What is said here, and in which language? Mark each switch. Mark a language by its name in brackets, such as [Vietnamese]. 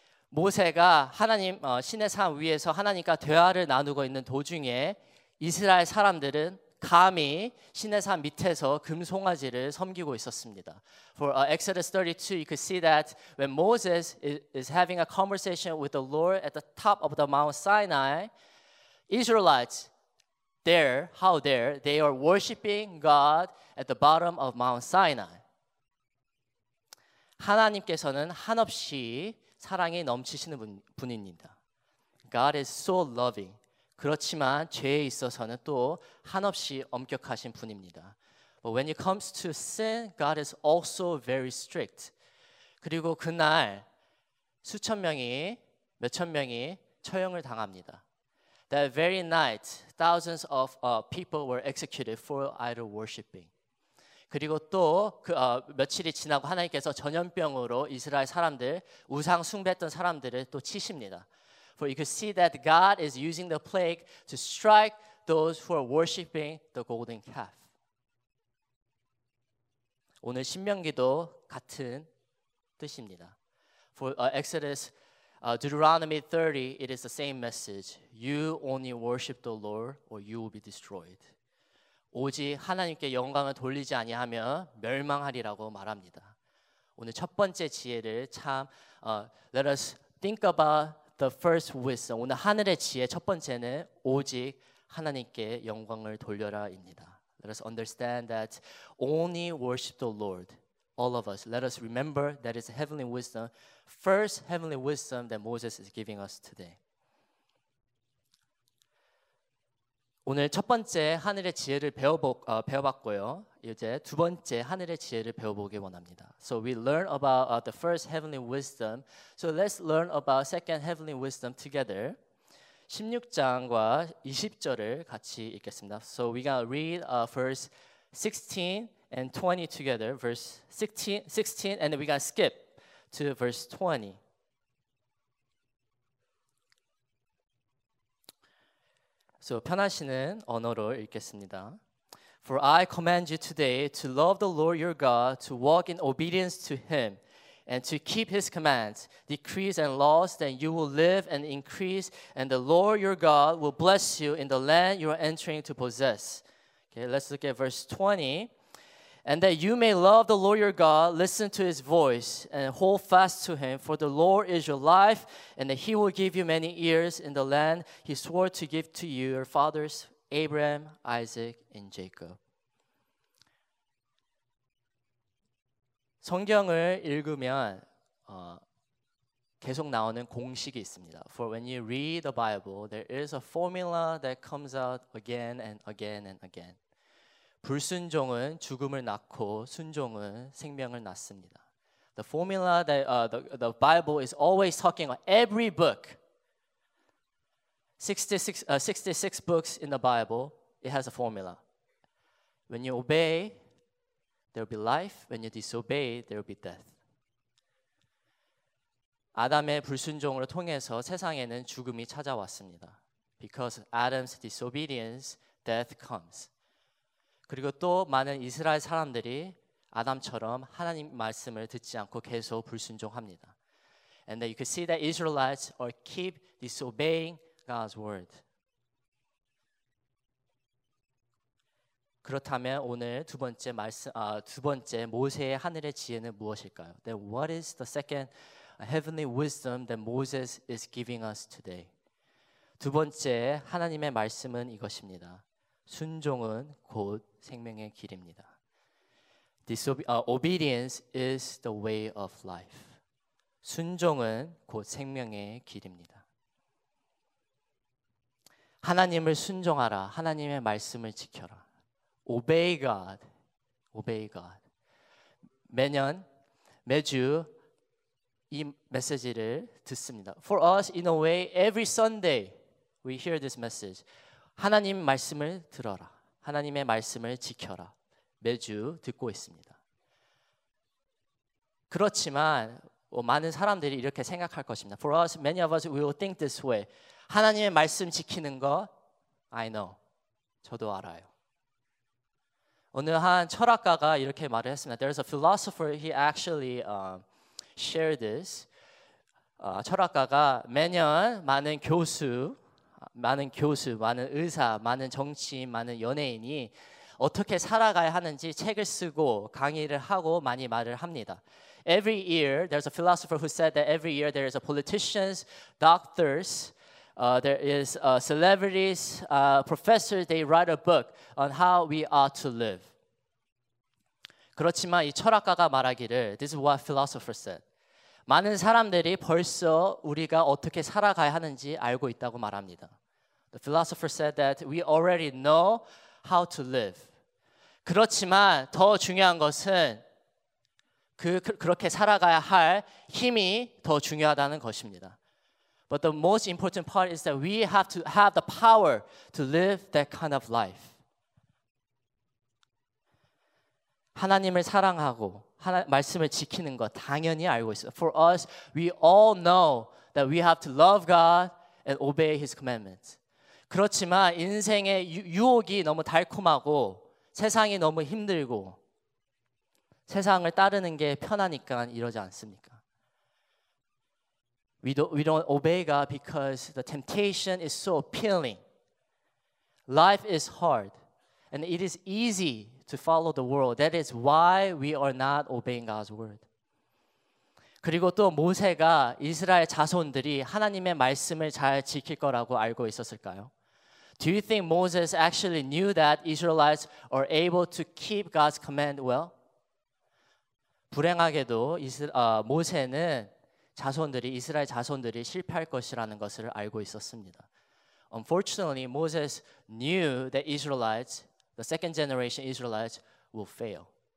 [Korean] 모세가 하나님 시내산 위에서 하나님과 대화를 나누고 있는 도중에 이스라엘 사람들은 감히 시내산 밑에서 금송아지를 섬기고 있었습니다. [English] For Exodus 32, you could see that when Moses is having a conversation with the Lord at the top of the Mount Sinai, Israelites there, how dare they are worshiping God at the bottom of Mount Sinai. [Korean] 하나님께서는 한없이 사랑이 넘치시는 분입니다. [English] God is so loving. [Korean] 그렇지만 죄에 있어서는 또 한없이 엄격하신 분입니다. [English] But when it comes to sin, God is also very strict. [Korean] 그리고 그날 수천 명이, 몇천 명이 처형을 당합니다. [English] That very night, thousands of people were executed for idol worshiping. [Korean] 그리고 또 며칠이 지나고 하나님께서 전염병으로 이스라엘 사람들, 우상 숭배했던 사람들을 또 치십니다. [English] For you could see that God is using the plague to strike those who are worshiping the golden calf. [Korean] 오늘 신명기도 같은 뜻입니다. [English] For Exodus, Deuteronomy 30, it is the same message. You only worship the Lord or you will be destroyed. [Korean] 오직 하나님께 영광을 돌리지 아니하면 멸망하리라고 말합니다. 오늘 첫 번째 지혜를 참, [English] let us think about the first wisdom. [Korean] 오늘 하늘의 지혜 첫 번째는 오직 하나님께 영광을 돌려라입니다. [English] Let us understand that only worship the Lord, all of us. Let us remember that is heavenly wisdom, first heavenly wisdom that Moses is giving us today. [Korean] 오늘 첫 번째 하늘의 지혜를 배워봤고요. 이제 두 번째 하늘의 지혜를 배워보기 원합니다. [English] So we learn about the first heavenly wisdom. So let's learn about second heavenly wisdom together. [Korean] 16장과 20절을 같이 읽겠습니다. [English] So we gonna read verse 16 and 20 together. Verse 16 and then we gonna skip to verse 20. [Korean] 편하시는 언어로 읽겠습니다. [English] For I command you today to love the Lord your God, to walk in obedience to him, and to keep his commands, decrees, and laws, then you will live and increase, and the Lord your God will bless you in the land you are entering to possess. Okay, let's look at verse 20. And that you may love the Lord your God, listen to his voice, and hold fast to him, for the Lord is your life, and that he will give you many ears in the land he swore to give to you, your fathers, Abraham, Isaac, and Jacob. [Korean] 성경을 읽으면 계속 나오는 공식이 있습니다. [English] For when you read the Bible, there is a formula that comes out again and again and again. [Korean] 불순종은 죽음을 낳고 순종은 생명을 낳습니다. [English] The formula that the Bible is always talking about, every book, 66 books in the Bible, it has a formula. When you obey, there will be life. When you disobey, there will be death. [Korean] 아담의 불순종을 통해서 세상에는 죽음이 찾아왔습니다. [English] Because Adam's disobedience, death comes. [Korean] 그리고 또 많은 이스라엘 사람들이 아담처럼 하나님 말씀을 듣지 않고 계속 불순종합니다. [English] And then you can see that Israelites are keep disobeying God's word. [Korean] 그렇다면 오늘 두 번째 말씀, 두 번째 모세의 하늘의 지혜는 무엇일까요? [English] Then what is the second heavenly wisdom that Moses is giving us today? [Korean] 두 번째 하나님의 말씀은 이것입니다. 순종은 곧 생명의 길입니다. [English] Obedience is the way of life. [Korean] 순종은 곧 생명의 길입니다. 하나님을 순종하라. 하나님의 말씀을 지켜라. [English] Obey God. Obey God. [Korean] 매주 이 메시지를 듣습니다. [English] For us, in a way, every Sunday, we hear this message. [Korean] 하나님 말씀을 들어라. 하나님의 말씀을 지켜라. 매주 듣고 있습니다. 그렇지만 많은 사람들이 이렇게 생각할 것입니다. [English] For us, many of us will think this way. [Korean] 하나님의 말씀 지키는 거, [English] I know. [Korean] 저도 알아요. 어느 한 철학가가 이렇게 말을 했습니다. [English] There's a philosopher, he actually shared this. [Korean] 철학가가 매년 많은 교수, 많은 의사, 많은 정치인, 많은 연예인이 어떻게 살아가야 하는지 책을 쓰고 강의를 하고 많이 말을 합니다. [English] Every year, there's a philosopher who said that every year there is a politicians, doctors, there is celebrities, professors, they write a book on how we ought to live. [Korean] 그렇지만 이 철학가가 말하기를, [English] this is what philosopher said. [Korean] 많은 사람들이 벌써 우리가 어떻게 살아가야 하는지 알고 있다고 말합니다. [English] The philosopher said that we already know how to live. [Korean] 그렇지만 더 중요한 것은 그렇게 살아가야 할 힘이 더 중요하다는 것입니다. [English] But the most important part is that we have to have the power to live that kind of life. [Korean] 하나님을 사랑하고 말씀을 지키는 것 당연히 알고 있어요. [English] For us, we all know that we have to love God and obey His commandments. [Korean] 그렇지만 인생의 유혹이 너무 달콤하고 세상이 너무 힘들고 세상을 따르는 게 편하니까 이러지 않습니까? [English] We don't obey God because the temptation is so appealing. Life is hard and it is easy to follow the world. That is why we are not obeying God's word. [Korean] 그리고 또 모세가 이스라엘 자손들이 하나님의 말씀을 잘 지킬 거라고 알고 있었을까요? [English] Do you think Moses actually knew that Israelites are able to keep God's command well? [Korean] 불행하게도 모세는 이스라엘 자손들이 실패할 것이라는 것을 알고 있었습니다. [English] Unfortunately, Moses knew that Israelites, the second generation Israelites, will fail.